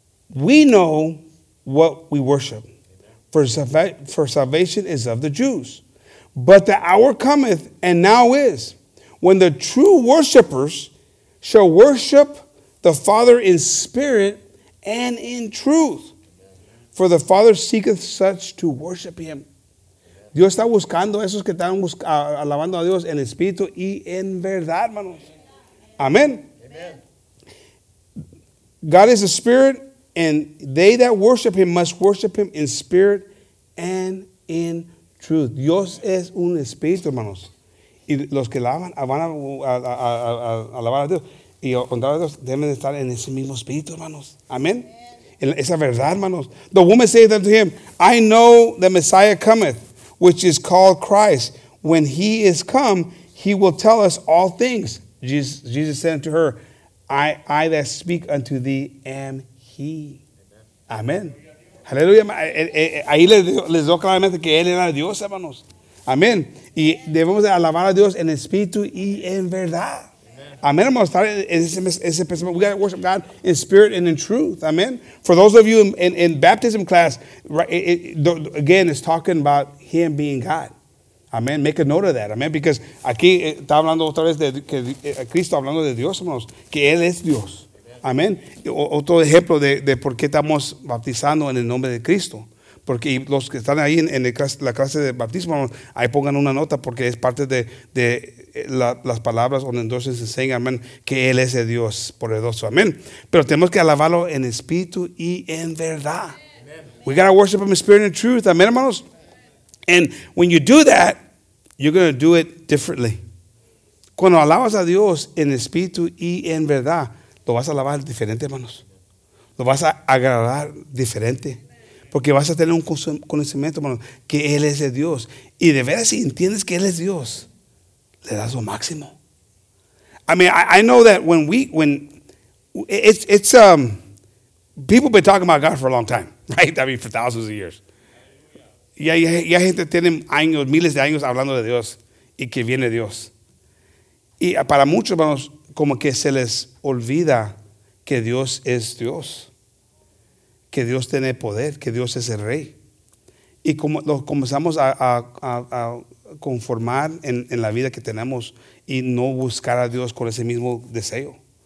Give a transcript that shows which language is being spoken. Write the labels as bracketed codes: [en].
[en] We know what we worship, for salvation is of the Jews. But the hour cometh, and now is, when the true worshipers shall worship the Father in spirit and in truth. For the Father seeketh such to worship him. [es] Dios está buscando a esos que están alabando a Dios en espíritu y en verdad, hermanos. [en] Amen. God is a spirit. And they that worship him must worship him in spirit and in truth. [es] Dios es un espíritu, hermanos. Y los que alaban, van a alabar a Dios. Y honrar a Dios, deben estar en ese mismo espíritu, hermanos. Amén. Esa verdad, hermanos. [en] The woman saith unto him, I know the Messiah cometh, which is called Christ. When he is come, he will tell us all things. Jesus said unto her, I that speak unto thee am he. Amén. Aleluya. [es] Ahí les dio claramente que Él era Dios, hermanos. Amén. Y debemos de alabar a Dios en espíritu y en verdad. Amén, hermanos. Ese pensamiento. [en] We got to worship God in spirit and in truth. Amén. For those of you in baptism class, again, it's talking about Him being God. [es] Amén. [en] Make a note of that. [es] Amén. Because aquí está hablando otra vez de que Cristo hablando de Dios, hermanos. Que Él es Dios. Amén. Otro ejemplo de por qué estamos bautizando en el nombre de Cristo. Porque los que están ahí en la clase de bautismo, ahí pongan una nota porque es parte de las palabras donde entonces se enseña, amén, que Él es el Dios poderoso. Amén. Pero tenemos que alabarlo en espíritu y en verdad. [en] Amen. We got to worship Him in spirit and truth. Amén, hermanos. And when you do that, you're going to do it differently. [es] Cuando alabas a Dios en espíritu y en verdad, lo vas a alabar diferente, hermanos. Lo vas a agradar diferente. Porque vas a tener un conocimiento, hermanos, que Él es el Dios. Y de veras, si entiendes que Él es Dios, le das lo máximo. [en] I mean, I know that when people been talking about God for a long time, right? I mean, for thousands of years. [es] Ya gente tiene años, miles de años hablando de Dios y que viene Dios. Y para muchos, hermanos, como que se les olvida que Dios es Dios, que Dios tiene poder, que Dios es el Rey. Y como lo comenzamos a conformar en la vida que tenemos y no buscar a Dios con ese mismo deseo.